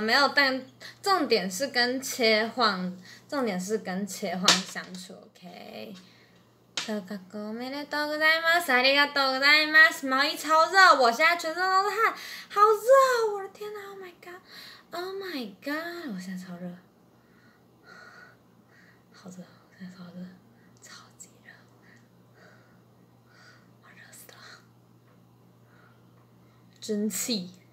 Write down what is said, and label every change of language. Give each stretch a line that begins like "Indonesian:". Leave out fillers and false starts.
Chinese: 没有，但重点是跟切换相处 ，OK。小哥哥，
Japanese: おめでとうございます。ありがとうございます。
Chinese: 毛衣超热，我现在全身都是汗，好热，我的天哪 ！
English: Oh my god！Oh my god！
Chinese: 我现在超热，好热，现在超热，超级热，我热死了，蒸汽。